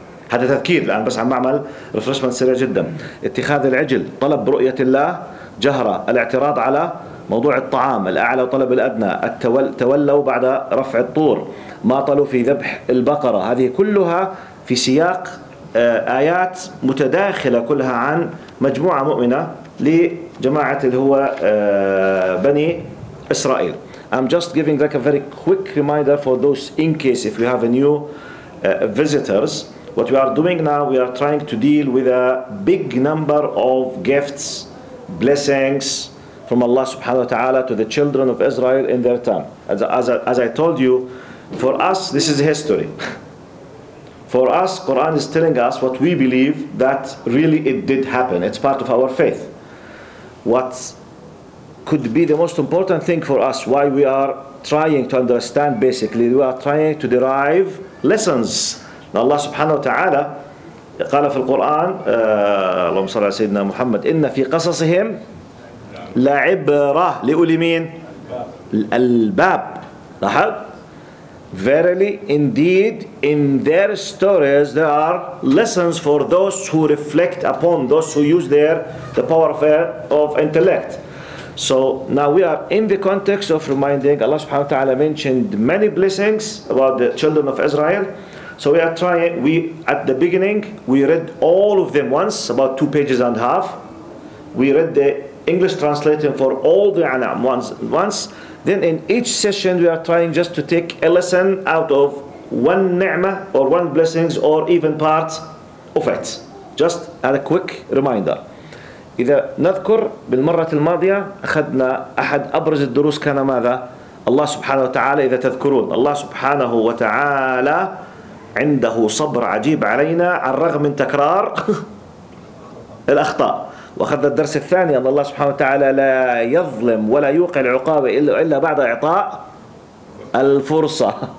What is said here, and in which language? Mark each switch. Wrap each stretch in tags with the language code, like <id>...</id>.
<ar>هذا تذكير الآن، بس عم بعمل رفرشمنت سريع جدا. اتخاذ العجل، طلب رؤية الله جهرة، الاعتراض على موضوع الطعام، الأعلى وطلب الأدنى، تولوا بعد رفع الطور، ماطلوا في ذبح البقرة. هذه كلها في سياق آيات متداخلة كلها عن مجموعة مؤمنة لجماعة اللي هو بني إسرائيل.</ar> <en>I'm just giving like a very quick reminder for those in case if you have a new visitors. What we are doing now, we are trying to deal with a big number of gifts, blessings from Allah subhanahu wa ta'ala to the children of Israel in their time. As I told you, for us, this is history. For us, Quran is telling us what we believe, that really it did happen. It's part of our faith. What could be the most important thing for us, why we are trying to understand, basically, we are trying to derive lessons.</en> <ar>Now Allah subhanahu wa ta'ala قال في القرآن، اللهم صل على سيدنا محمد، إن في قصصهم لعبرة لأولي مين؟ الباب.</ar> <en>لاحظ، verily indeed in their stories there are lessons for those who reflect upon, those who use the power of intellect. So now we are in the context of reminding. Allah subhanahu wa ta'ala mentioned many blessings about the children of Israel. So we are trying, at the beginning, we read all of them once, about 2.5 pages. We read the English translation for all the An'am once. Then in each session, we are trying just to take a lesson out of one ni'mah or one blessings or even part of it. Just as a quick reminder.</en> <ar>إذا نذكر بالمرة الماضية أخذنا أحد أبرز الدروس، كان ماذا؟ الله سبحانه وتعالى، إذا تذكرون، الله سبحانه وتعالى عنده صبر عجيب علينا على الرغم من تكرار الأخطاء. وأخذ الدرس الثاني أن الله سبحانه وتعالى لا يظلم ولا يوقع العقاب إلا بعد إعطاء الفرصة.</ar>